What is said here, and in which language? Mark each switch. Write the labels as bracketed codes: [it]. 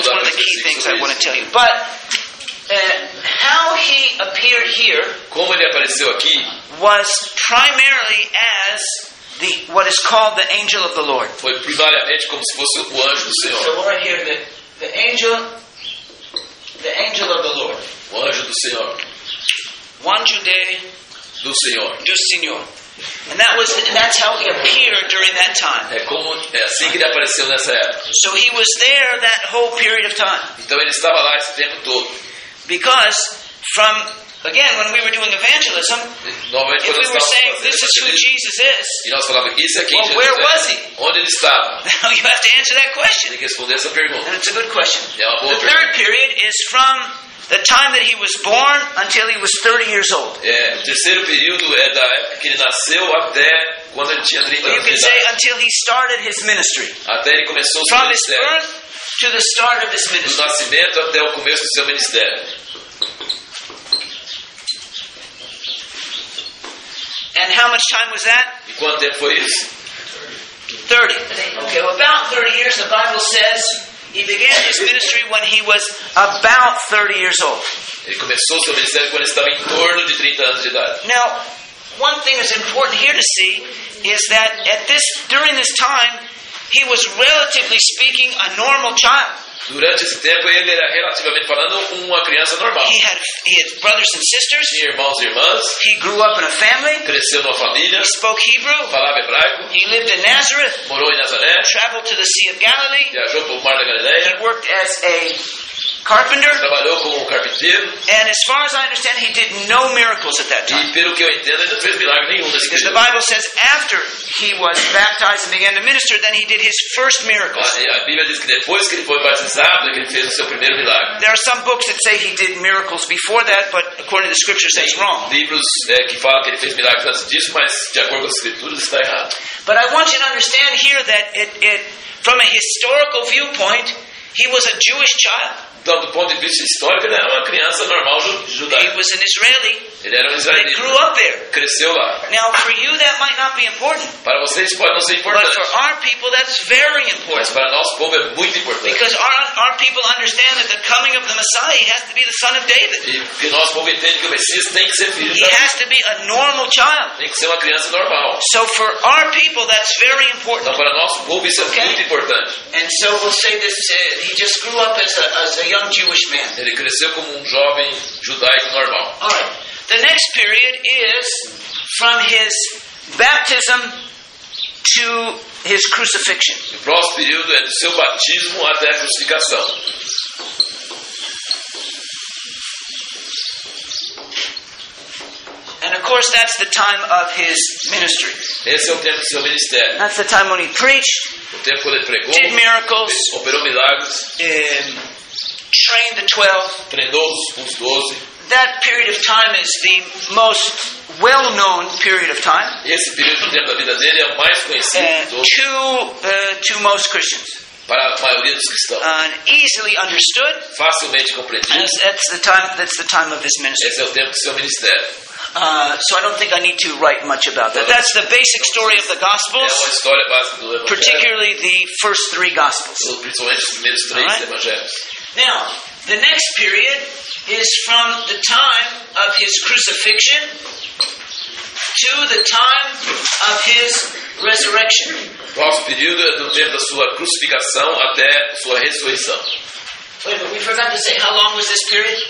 [en] That's one of the key things I want to tell you, but. And how he appeared here, [pt] como ele apareceu aqui, [en] was primarily as the what is called the angel of the Lord. [pt] Foi primariamente como se fosse o anjo do Senhor. [en] So right here, the angel of the Lord. [pt] O anjo do Senhor. O anjo de, do Senhor. Do Senhor. [en] And that was that's how he appeared during that time. [pt] É como, é assim que ele apareceu nessa época. [en] So he was there that whole period of time. [pt] Então ele estava lá esse tempo todo. [en] Because, from, again, when we were doing evangelism, if we were saying, this is who Jesus is, where was he? [pt] Onde ele estava? [en] Now you have to answer that question. [pt] Tem que responder essa pergunta. [en] And it's a good question. [pt] É uma boa [en] the [pt] pergunta. [en] Third period is from the time that he was born until he was 30 years old. [pt] É, o terceiro período é da época que ele nasceu até quando ele tinha 30 anos. [en] You can say until he started his ministry. [pt] Até ele começou [en] from [pt] seu ministério. [en] His birth, to the start of his ministry. [pt] Do nascimento até o começo do seu ministério. [en] And how much time was that? [pt] E quanto tempo foi isso? [en] 30. Okay, well, about 30 years, the Bible says, he began his ministry when he was about 30 years old. [pt] Ele começou seu ministério quando ele estava em torno de 30 anos de idade. [en] Now, one thing that's important here to see is that at this, during this time, he was relatively speaking a normal child. [pt] Durante esse tempo ele era relativamente falando uma criança normal. [en] He had brothers and sisters. [pt] Tinha irmãos e irmãs. [en] He grew up in a family. [pt] Cresceu numa família. [en] He spoke Hebrew. [pt] Falava hebraico. [en] He lived in Nazareth. [pt] Morou em Nazaré. [en] Traveled to the Sea of Galilee. [pt] Viajou pelo Mar da Galileia. [en] He worked as a carpenter. [pt] Trabalhou como carpinteiro. [en] And as far as I understand, he did no miracles at that time. [pt] E pelo que eu entendo, ele não fez milagre nenhum nesse período. [en] The Bible says after he was baptized and began to minister, then he did his first miracles. [pt] A Bíblia diz que depois que ele foi batizado, ele fez o seu primeiro milagre. [en] There are some books that say he did miracles before that, but according to the scriptures, that's wrong. [pt] Livros que falam que ele fez milagres antes disso, mas de acordo com as escrituras, está errado. [en] But I want you to understand here that it from a historical viewpoint, he was a Jewish child. [pt] Então, do ponto de vista histórico, ele era uma criança normal judaica. [en] He was an Israeli. [pt] Ele era um israelita. [en] He grew up there. [pt] Cresceu lá. [en] Now, for you, that might not be important. [pt] Para vocês, pode não ser importante. [en] But for our people, that's very important. [pt] Mas para nosso povo, é muito importante. [en] Because our people understand that the coming of the Messiah has to be the son of David. [pt] E nosso povo entende que o Messias tem que ser filho de Davi. [en] He has to be a normal child. [pt] Tem que ser uma criança normal. [en] So, for our people, that's very important. [pt] Então, para nosso povo, isso é okay. Muito importante. [en] And so, we'll say this, he just grew up as a young Jewish man. [pt] Ele cresceu como jovem judaico normal. [en] All right. The next period is from his baptism to his crucifixion. [pt] O próximo período é do seu batismo até a crucificação. [en] And of course, that's the time of his ministry. [pt] Esse é o tempo do seu ministério. [en] That's the time when he preached. [pt] O tempo quando ele pregou. [en] Did miracles. [pt] Operou milagres. [en] Trained the 12. [pt] Treinou os 12. [en] That period of time is the most well-known period of time. [pt] Esse período do tempo da vida dele é o mais conhecido. [en] To most Christians. [pt] Para a maioria dos cristãos. [en] Easily understood. [pt] Facilmente compreendido. [en] And that's the time of this ministry. [pt] Esse é o tempo do seu ministério. [en] So I don't think I need to write much about that. That's the basic story of the Gospels, [pt] é uma história básica do Evangelho, [en] particularly the first three Gospels. [pt] Principalmente os primeiros três Evangelhos. [en] Now, the next period is from the time of his crucifixion to the time of his resurrection. [pt] O próximo período é do tempo da sua crucificação até sua ressurreição. [en] Wait, but we forgot to say, how long was this period?